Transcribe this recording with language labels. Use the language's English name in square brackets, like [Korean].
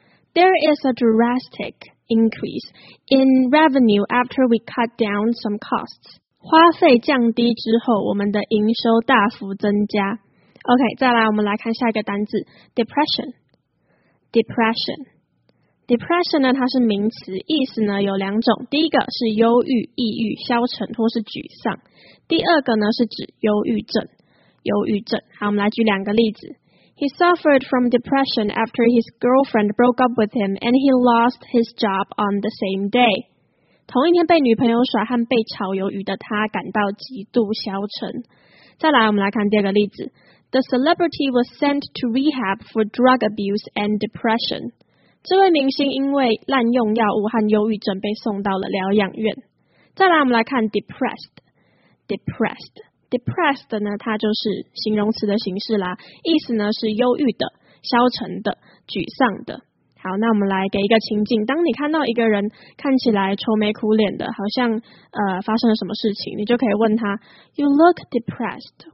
[English] There is a drastic increase in revenue after we cut down some costs. [Chinese] 花费降低之后，我们的营收大幅增加。 OK， 再来我们来看下一个单字 ，depression。depression 呢，它是名词，意思呢有两种。第一个是忧郁、抑郁、消沉或是沮丧。第二个呢是指忧郁症。好，我们来举两个例子。 [English] He suffered from depression after his girlfriend broke up with him and he lost his job on the same day. [Chinese] 同一天被女朋友甩和被炒鱿鱼的他感到极度消沉。再来我们来看第二个例子。 [English] The celebrity was sent to rehab for drug abuse and depression. [Chinese] 这位明星因为滥用药物和忧郁症被送到了疗养院。再来我们来看 depressed。Depressed 呢，它就是形容词的形式啦，意思呢是忧郁的、消沉的、沮丧的。好，那我们来给一个情境，当你看到一个人看起来愁眉苦脸的，好像发生了什么事情，你就可以问他 ， [English] You look depressed.